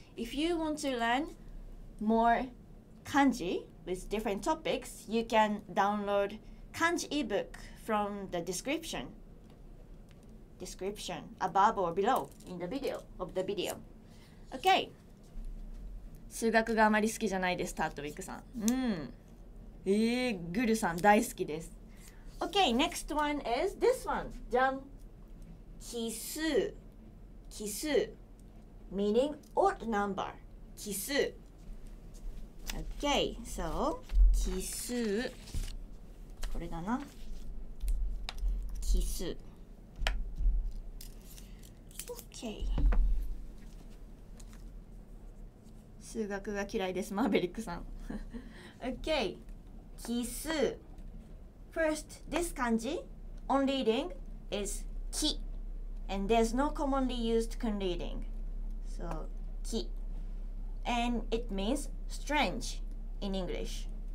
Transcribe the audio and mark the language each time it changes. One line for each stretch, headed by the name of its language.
English: If you want to learn more kanji with different topics, you can download kanji ebook from the description above or below in the video of the video. Okay.
Japanese: 数学があまり好きじゃないです、タートウィックさん。グルさん大好きです。
English: Okay, next one is this one.
Japanese: じゃん。
English: 奇数。 Meaning odd number, 奇数.Okay, so 奇数これだな。奇数. Okay.
Japanese: 数学が嫌いです、マーベリックさん。
English: Okay, 奇数. First, this kanji on reading is 奇, and there's no commonly used kun reading. So, ki. And it means strange in English.